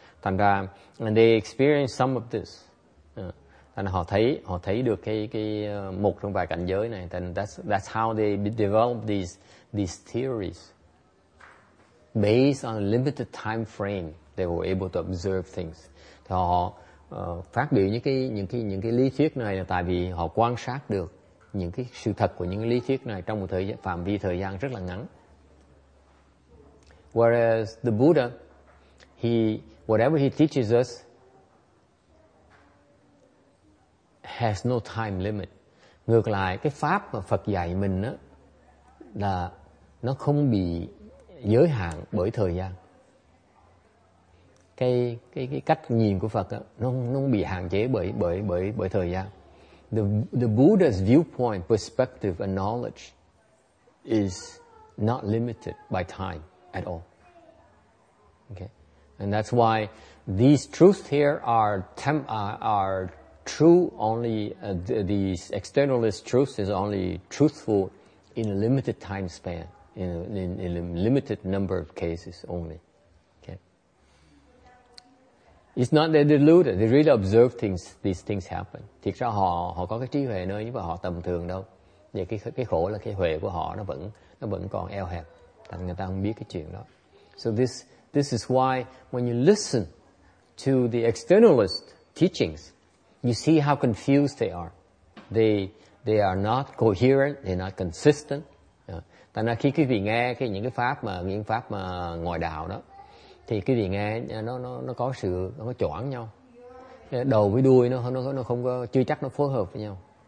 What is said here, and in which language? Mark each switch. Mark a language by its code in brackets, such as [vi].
[vi] Thành ra [en] and they experience some of this. [vi] Thành ra họ thấy được cái một trong vài cảnh giới này. [en] Then that's how they develop these theories based on a limited time frame they were able to observe things. [vi] Thì họ phát biểu những cái lý thuyết này là tại vì họ quan sát được những cái sự thật của những lý thuyết này trong một thời gian, phạm vi thời gian rất là ngắn. [en] Whereas the Buddha, whatever he teaches us has no time limit. [vi] Ngược lại, cái pháp mà Phật dạy mình á là nó không bị giới hạn bởi thời gian. Cái cách nhìn của Phật á nó không bị hạn chế bởi thời gian. [en] The Buddha's viewpoint, perspective, and knowledge is not limited by time at all. Okay, and that's why these truths here are true only these externalist truths is only truthful in a limited time span in a limited number of cases only. Okay, it's not that they're deluded. They really observe things. These things happen. [vi] Thực ra họ có cái trí huệ nơi nhưng mà họ tầm thường đâu. Vậy cái khổ là cái huệ của họ nó vẫn còn eo hẹp. Thành người ta không biết cái chuyện đó. [en] So this is why when you listen to the externalist teachings, you see how confused they are. They are not coherent, they're not consistent. [vi] Thành ra khi quý vị nghe những pháp mà ngoại đạo đó, thì quý vị nghe nó có sự nó có choảng nhau. Đầu với đuôi nó không có, chưa chắc nó phối hợp với nhau.